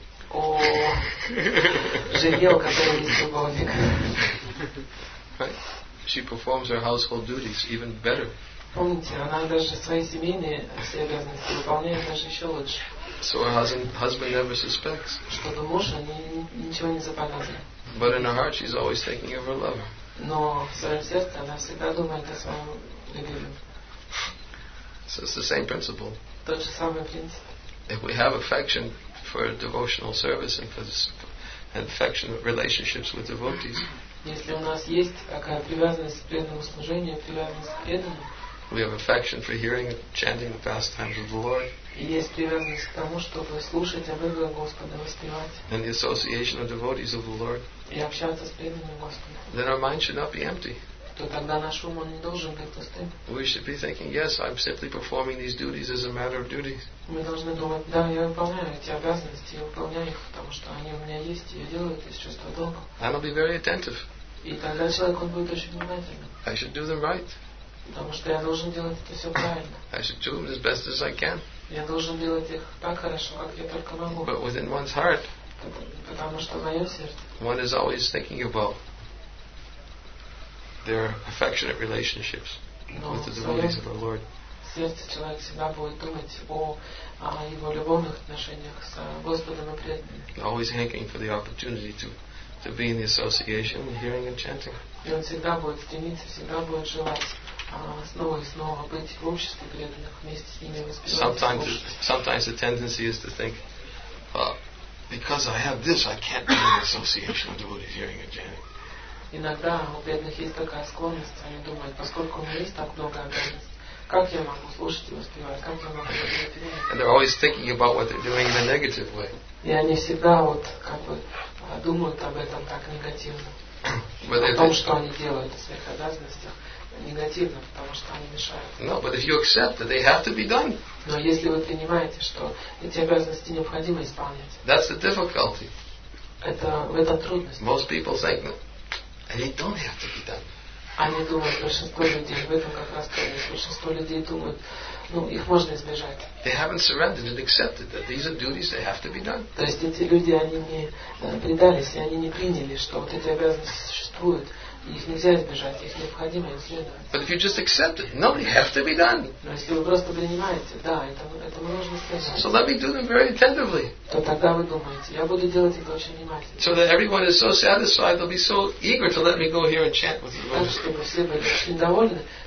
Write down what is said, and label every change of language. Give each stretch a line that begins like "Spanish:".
Russian: О жене, у которой есть любовник.
English: She performs her household duties even better.
Russian: Помните, она даже свои семейные все обязанности выполняет даже еще лучше.
English: So her husband never suspects.
Russian: Что до мужа, ничего не заподозрит.
English: But in her heart, she's always thinking of her lover.
Russian: Но в своем сердце она всегда думает о своем любимом.
English: So it's the same principle.
Russian: Тот же самый принцип.
English: If we have affection for devotional service and for affectionate relationships with devotees.
Russian: Если у нас есть какая привязанность к преданному служению, привязанность к преданному.
English: We have affection for hearing and chanting the pastimes of the Lord.
Russian: И есть привязанность к тому, чтобы слушать о выборе Господа, воспевать.
English: And the association of devotees of the Lord.
Russian: И общаться с преданным Господом.
English: Then our mind should not be empty.
Russian: То тогда наш ум не должен быть пустым.
English: We should be thinking, yes, I'm simply performing these duties as a matter of duty.
Russian: Мы должны думать, да, я выполняю эти обязанности, я выполняю их, потому что они у меня есть, и я делаю это из чувства долга.
English: And I'll be very attentive.
Russian: И тогда человек, он будет очень внимательным.
English: I should do them right.
Russian: Потому что я должен делать это все правильно.
English: I should do them as best as I can.
Russian: Я должен делать их так хорошо, как я только могу.
English: But within one's heart.
Russian: Потому что в моем сердце.
English: One is always thinking about their affectionate relationships with the devotees of the Lord.
Russian: Сердце человек всегда будет думать о его любовных отношениях с Господом и преданными.
English: Always hankering for the opportunity to be in the association, hearing and chanting.
Russian: И он всегда будет стремиться, всегда будет желать снова и снова быть в обществе преданных вместе с ними воспевать.
English: Sometimes the tendency is to think, because I have this, I can't be in the association of devotees, hearing and chanting.
Russian: Иногда у бедных есть такая склонность, они думают, поскольку у меня есть так много обязанностей, как я могу слушать и воспевать, как я могу воспевать?
English: And they're always thinking about what they're doing in a negative way.
Russian: И они всегда вот как бы думают об этом так негативно.
English: But
Russian: о том, что они делают в своих обязанностях, негативно, потому что они мешают.
English: No, but if you accept that they have to be done.
Russian: Но если вы понимаете, что эти обязанности необходимо исполнять.
English: That's the difficulty.
Russian: Это в этом трудность.
English: Most people think that. And it don't have to be done.
Russian: Они думают, большинство людей в этом как раз трудность. Большинство людей думают, ну, их можно избежать.
English: They haven't surrendered and accepted that these are duties they have to be done.
Russian: То есть эти люди, они не предались, и они не приняли, что вот эти обязанности существуют, и их нельзя избежать, их необходимо исследовать.
English: But if you just accept it, no, they have to be done.
Russian: Но если вы просто принимаете, да, это нужно сказать.
English: So let me do them very attentively.
Russian: То тогда вы думаете, я буду делать это очень внимательно.
English: So that everyone is so satisfied, they'll be so eager to let me go here and chant with you.
Russian: Так, чтобы все были очень довольны,